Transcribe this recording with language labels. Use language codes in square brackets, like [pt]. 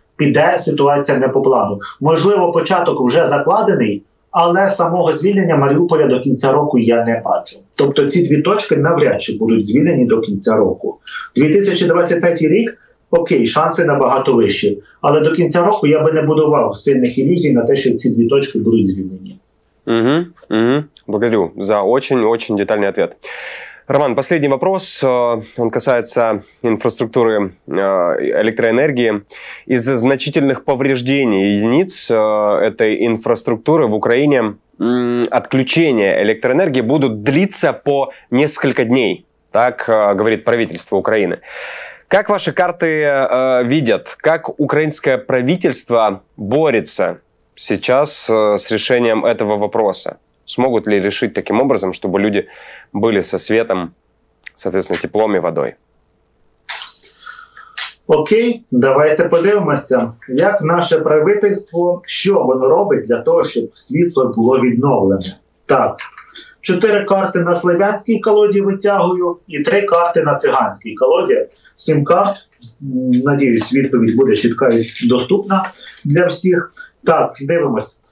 [uk] Піде ситуація не по плану. Можливо, початок вже закладений, але самого звільнення Маріуполя до кінця року я не бачу. Тобто ці дві точки навряд чи будуть звільнені до кінця року. 2025 рік, окей, шанси набагато вищі. Але до кінця року я би не будував сильних ілюзій на те, що ці дві точки будуть звільнені. Угу, угу. [ru] Благодарю за очень-очень детальний ответ. Роман, последний вопрос, он касается инфраструктуры электроэнергии. Из-за значительных повреждений единиц этой инфраструктуры в Украине отключения электроэнергии будут длиться по несколько дней, так говорит правительство Украины. Как ваши карты видят, как украинское правительство борется сейчас с решением этого вопроса? Смогут ли решить таким образом, чтобы люди были со светом, соответственно, теплом и водой? [uk] Окей, давайте подивимося, як наше правительство, що воно робить для того, щоб світло було відновлене. Так, 4 карти на слов'янській колоді витягую і 3 карти на циганській колоді. 7 карт, надіюсь, відповідь буде чітка і доступна для всіх. Так, дивимось.